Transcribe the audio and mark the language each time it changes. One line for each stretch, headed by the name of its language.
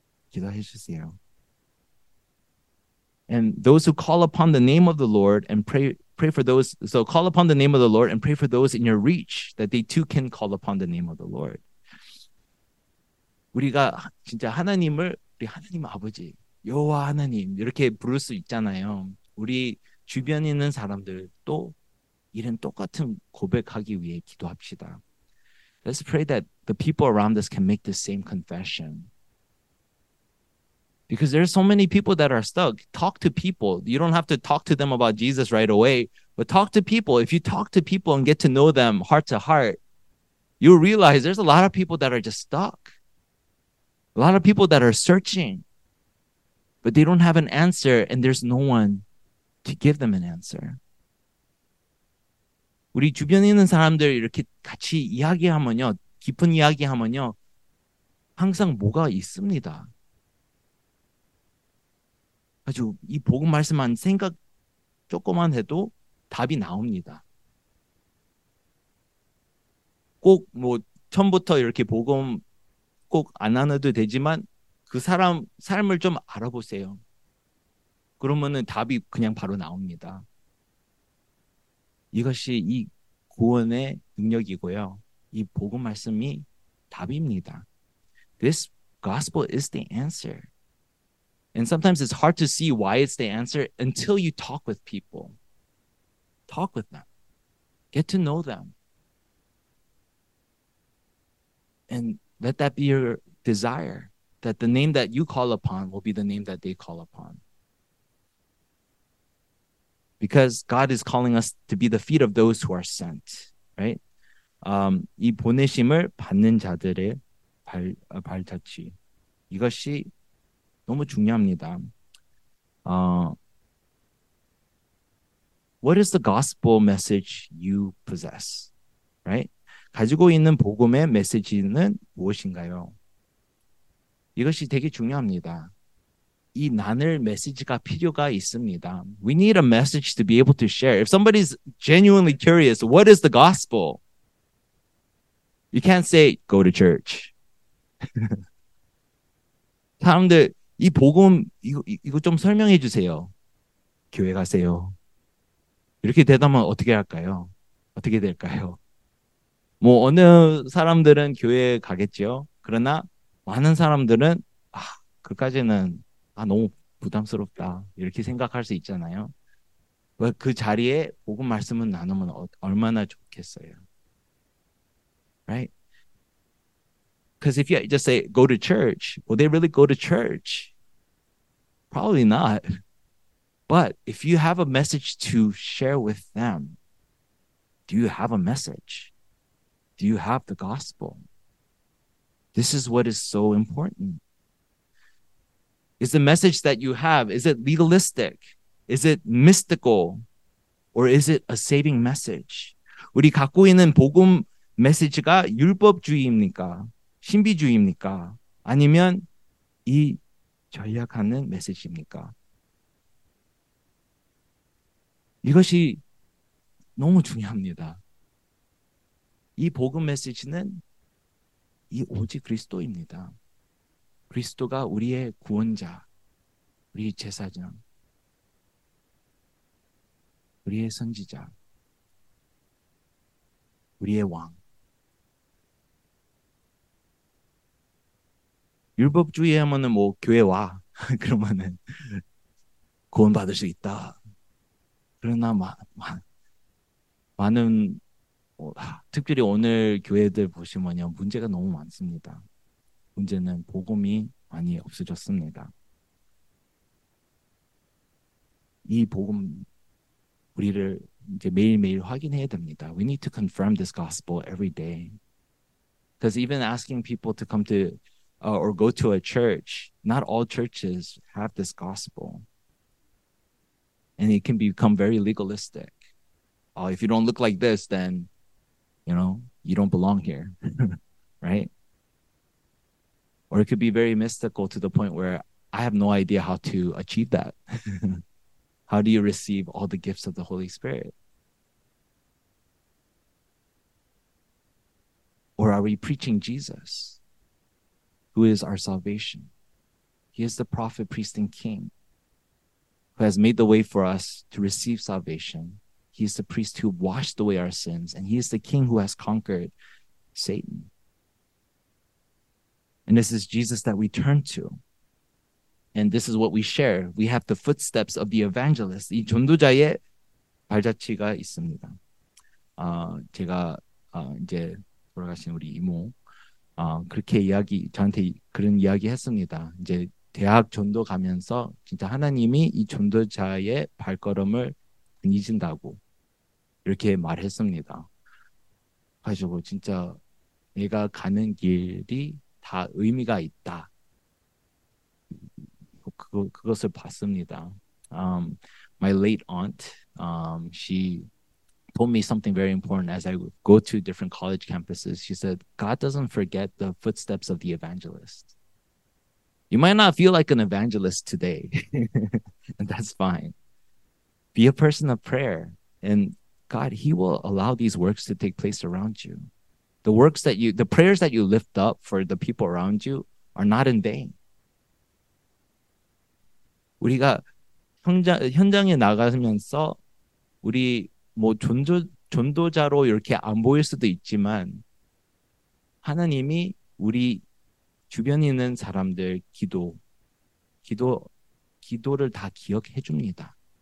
Korean: 기도해 주세요.
English: And those who call upon the name of the Lord and pray for those, so call upon the name of the Lord and pray for those in your reach that they too can call upon the name of the Lord.
Korean: 우리가 진짜 하나님을 우리 하나님 아버지 여호와 하나님 이렇게 부를 수 있잖아요. 우리 주변에 있는 사람들도 이런 똑같은 고백하기 위해 기도합시다.
English: Let's pray that the people around us can make the same confession. Because there are so many people that are stuck. Talk to people. You don't have to talk to them about Jesus right away, but talk to people. If you talk to people and get to know them heart to heart, you'll realize there's a lot of people that are just stuck. A lot of people that are searching, but they don't have an answer, and there's no one to give them an answer.
Korean: 우리 주변에 있는 사람들 이렇게 같이 이야기하면요, 깊은 이야기하면요, 항상 뭐가 있습니다. 아주 이 복음 말씀만 생각 조금만 해도 답이 나옵니다. 꼭 뭐 처음부터 이렇게 복음 꼭 안 하나도 되지만 그 사람 삶을 좀 알아보세요. 그러면은 답이 그냥 바로 나옵니다. 이것이 이 구원의 능력이고요. 이 복음 말씀이 답입니다.
English: This gospel is the answer. And sometimes it's hard to see why it's the answer until you talk with people. Talk with them. Get to know them. And let that be your desire, that the name that you call upon will be the name that they call upon. Because God is calling us to be the feet of those who are sent, right?
Korean: 이 보내심을 받는 자들의 발자취. 이것이 너무 중요합니다.
English: What is the gospel message you possess, right?
Korean: 가지고 있는 복음의 메시지는 무엇인가요? 이것이 되게 중요합니다. 이 나눌 메시지가 필요가 있습니다.
English: We need a message to be able to share. If somebody is genuinely curious, what is the gospel? You can't say, go to church.
Korean: 사람들, 이 복음, 이거 좀 설명해 주세요. 교회 가세요. 이렇게 대답하면 어떻게 할까요? 어떻게 될까요? 뭐, 어느 사람들은 교회 가겠죠. 그러나, 많은 사람들은, 아, 그까지는, 아, 너무 부담스럽다. 이렇게 생각할 수 있잖아요. 그 자리에 복음 말씀을 나누면 얼마나 좋겠어요.
English: Right? Because if you just say, go to church, will they really go to church? Probably not. But if you have a message to share with them, do you have a message? Do you have the gospel? This is what is so important. Is the message that you have, is it legalistic? Is it mystical? Or is it a saving message?
Korean: 우리 갖고 있는 복음 메시지가 율법주의입니까? 신비주의입니까? 아니면 이 전략하는 메시지입니까? 이것이 너무 중요합니다. 이 복음 메시지는 이 오직 그리스도입니다. 그리스도가 우리의 구원자, 우리 제사장, 우리의 선지자, 우리의 왕. 율법주의 하면은 뭐 교회 와 그러면은 구원 받을 수 있다. 그러나 많은 특별히 오늘 교회들 보시면요 문제가 너무 많습니다. 문제는 복음이 많이 없어졌습니다. 이 복음 우리를 이제 매일매일 확인해야 됩니다.
English: We need to confirm this gospel every day. Because even asking people to come to or go to a church, not all churches have this gospel. And it can become very legalistic. If you don't look like this, then, you know, you don't belong here, right? Or it could be very mystical to the point where I have no idea how to achieve that. How do you receive all the gifts of the Holy Spirit? Or are we preaching Jesus, who is our salvation? He is the prophet, priest, and king who has made the way for us to receive salvation. He is the priest who washed away our sins, and he is the king who has conquered Satan. And this is Jesus that we turn to. And this is what we share. We have the footsteps of the evangelist.
Korean: 이 전도자의 발자취가 있습니다. 제가 이제 돌아가신 우리 이모 그렇게 이야기 저한테 그런 이야기 했습니다. 이제 대학 전도 가면서 진짜 하나님이 이 전도자의 발걸음을 다니신다고 이렇게 말했습니다. 가지고 진짜 내가 가는 길이 다 의미가 있다. 그것을 봤습니다.
English: My late aunt, she told me something very important as I go to different college campuses. She said, God doesn't forget the footsteps of the evangelist. You might not feel like an evangelist today, and that's fine. Be a person of prayer, and God, he will allow these works to take place around you. The works that you, the prayers that you lift up for the people around you are not in vain.
Korean: 우리가 현장에 나가면서 우리 뭐 전도자로 이렇게 안 보일 수도 있지만 하나님이 우리 주변에 있는 사람들 기도를 다 기억해 줍니다.